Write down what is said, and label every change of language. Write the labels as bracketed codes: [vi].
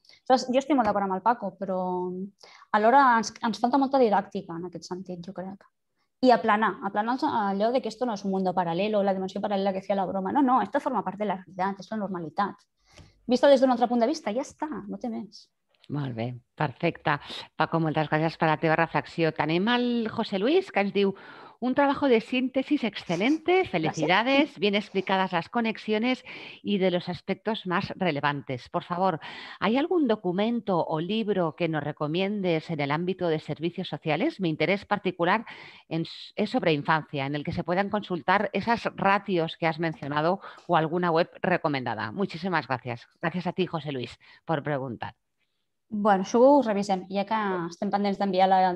[ca] Jo estic molt d'acord amb el Paco, però alhora ens falta molta didàctica en aquest sentit, jo crec. I aplanar allò de que esto no és un mundo paral·lelo, la dimensió paral·lela que feia la broma. No, esto forma part de la realitat, és la normalitat. Vista des d'un altre punt de vista, ja està, no té més. Molt bé, perfecte. Paco, moltes gràcies per la teva reflexió. Tenim el José Luis, que ens diu: [es] un trabajo de síntesis excelente, felicidades, bien explicadas las conexiones y de los aspectos más relevantes. Por favor, ¿hay algún documento o libro que nos recomiendes en el ámbito de servicios sociales? Mi interés particular es sobre infancia, en el que se puedan consultar esas ratios que has mencionado o alguna web recomendada. Muchísimas gracias. Gracias a ti, José Luis, por preguntar. [ca] Bueno, això ho revisem, ja que estem pendents d'enviar